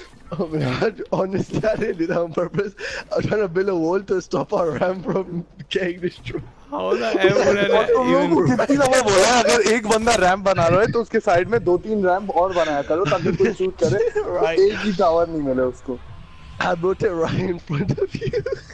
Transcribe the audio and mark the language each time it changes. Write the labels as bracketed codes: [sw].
[en] Oh man, honestly, I did it on purpose. I'm trying to build a wall to stop our ram from getting destroyed. How the ram? [hi] अगर एक बंदा ram बना रहा है तो उसके side में दो-तीन ram और बनाया करो ताकि कोई shoot करे. [en] Right. [hi] एक ही tower नहीं मिले उसको. [en] I built it right in front of you.